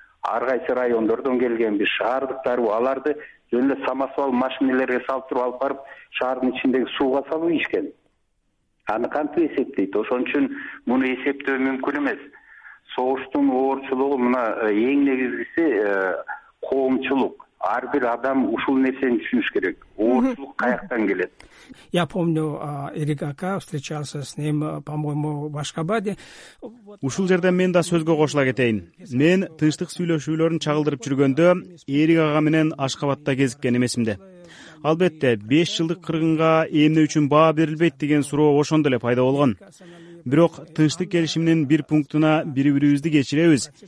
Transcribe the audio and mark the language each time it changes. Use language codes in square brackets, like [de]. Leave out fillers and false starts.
[ky] Ар кайсы райондордон келгенби, шаардыктарбы, аларды жөн эле самосвал машинелерге салып туруп алып барып шаардын ичиндеги сууга салып ийишкен. Аны кантип эсептейт? Ошон үчүн муну эсептөө мүмкүн эмес. Согуштун оорчулугу мына эң негизгиси коомчулук. Ар бир адам ушул нерсени түшүнүш керек. Оорчулук каяктан келет? [ru] Я помню, Эрик ака встречался с ним, по-моему, в Ашкабаде. [ky] Ушул жерден мен да сөзгө кошула кетейин. Мен тынчтык сүйлөшүүлөрүн чагылдырып жүргөндө Эрик ага менен Ашкабадда кезиккен эмесимди. Албетте, 5 жылдык кыргынга эмне үчүн баа берилбейт деген суроо ошондо эле пайда болгон. Бирок тынчтык келишиминин бир пунктуна бири бирибизди кечиребиз.